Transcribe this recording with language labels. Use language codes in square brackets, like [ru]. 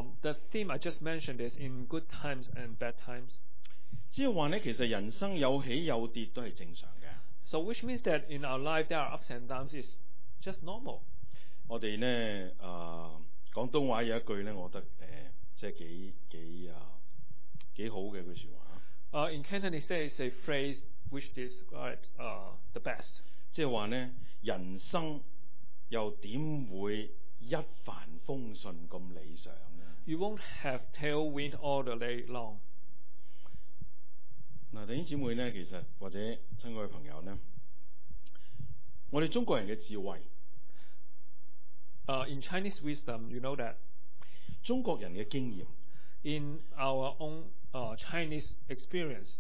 [en] the theme I just mentioned is in good times and bad times. [yue] 即是说呢，其实人生有起有跌都是正常的。 [en] So which means that in our life there are ups and downs, it's just normal. [yue] 我们呢，广东话有一句呢，我觉得即是几好的一句话。 [en] In Cantonese it's a phrase which describes the best. [yue] 即是说呢，人生又怎会一帆风顺那么理想呢？ [en] You won't have tailwind all the day long. [yue] 弟兄姊妹呢，其实或者亲爱的朋友呢，我们中国人的智慧 [en] In Chinese wisdom, you know that. [yue] 中国人的经验 [en] In our own Chinese experience.